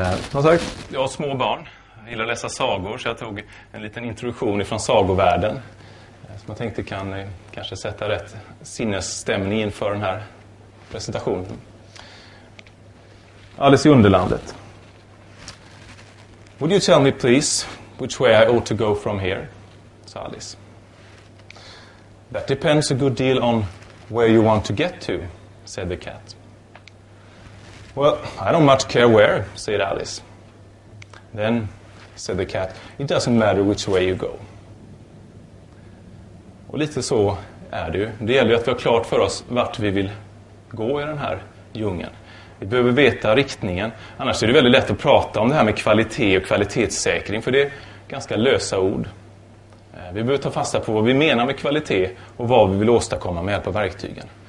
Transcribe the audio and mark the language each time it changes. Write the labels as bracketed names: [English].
[Swedish] Som sagt, jag har små barn. Jag gillar att läsa sagor så jag tog en liten introduktion ifrån sagovärlden. Som jag tänkte kan kanske sätta rätt sinnesstämning inför den här presentationen. Alice i Underlandet. [English] Would you tell me please which way I ought to go from here? [Swedish] Sa Alice. [English] That depends a good deal on where you want to get to, said the cat. Well, I don't much care where, said Alice. Then, said the cat, it doesn't matter which way you go. [Swedish] Och lite så är det ju. Det gäller ju att vi har klart för oss vart vi vill gå i den här djungeln. Vi behöver veta riktningen. Annars är det väldigt lätt att prata om det här med kvalitet och kvalitetssäkring. För det är ganska lösa ord. Vi behöver ta fasta på vad vi menar med kvalitet och vad vi vill åstadkomma med hjälp av verktygen.